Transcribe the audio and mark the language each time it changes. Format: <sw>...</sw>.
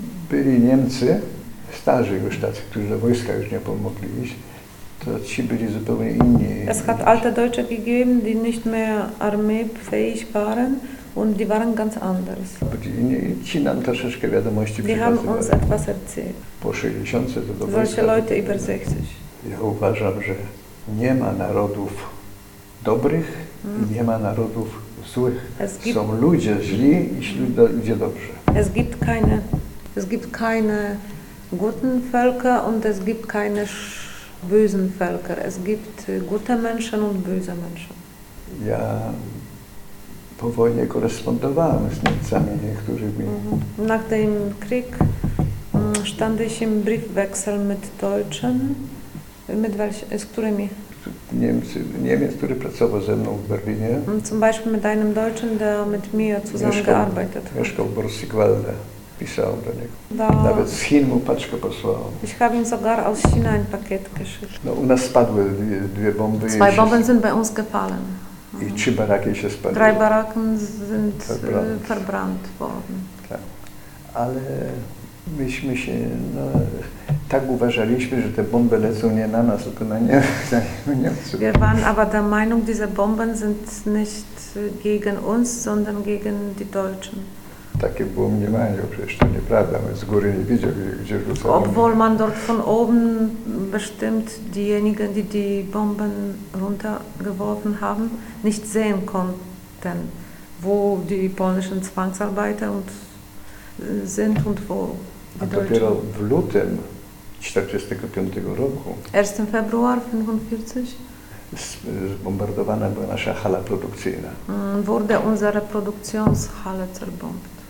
<pl>Byli Niemcy, starzy już tacy, którzy do wojska już nie pomogli iść, to ci byli zupełnie inni.</pl> <de>Es hat alte Deutsche gegeben, die nicht mehr armeefähig waren und die waren ganz anders.</de> <pl>Byli inni, ci nam troszeczkę wiadomości przekazywali.</pl> <de>Die haben uns etwas erzählt.</de> <pl>Po 60 to do wojska.</pl> <de>Solche Leute über 60.</de> <pl>Ja uważam, że... Nie ma narodów dobrych i nie ma narodów złych. Są ludzie źli i ludzie dobrze.</pl> <de>Es gibt keine guten Völker und es gibt keine bösen Völker. Es gibt gute Menschen und böse Menschen.</de> <pl>Ja po wojnie korespondowałem z Niemcami niektórymi.</pl> <de>Nach dem Krieg stand ich im Briefwechsel mit Deutschen.</de> <pl>Z którymi? Niemiec, który pracował ze mną w Berlinie.</pl> <de>Zum Beispiel mit einem Deutschen, der mit mir zusammengearbeitet hat.</de> <pl>Mieszkał w Borsigwalde. Pisał do niego. Nawet z Chin mu paczkę posłałem.</pl> <de>Ich habe ihm sogar aus China ein Paket geschickt.</de> <pl>No, u nas spadły dwie bomby.</pl> <de>Zwei Bomben sind bei uns gefallen.</de> <pl>I trzy baraki się spadły.</pl> <de>Drei Baracken sind verbrannt worden.</de> <pl>Tak. Ale myśmy się... No, tak uważaliśmy, że te bomby lecą nie na nas, tylko na Niemców.</pl> <de>Wir waren aber der Meinung, diese Bomben sind nicht gegen uns, sondern gegen die Deutschen.</de> <pl>Takie było mniemanie, przecież to nieprawda, my z góry nie widzieli, gdzie rzucamy.</pl> <de>Obwohl man dort von oben bestimmt diejenigen, die die Bomben runtergeworfen haben, nicht sehen konnten, wo die polnischen Zwangsarbeiter sind und wo die Deutschen.</de> <pl>A dopiero w lutym 1945 roku.</pl> <de>1 februar 1945.</de> <pl>Zbombardowana była nasza hala produkcyjna.</pl> <de>Wurde unsere Produktionshalle zerbombt.</de>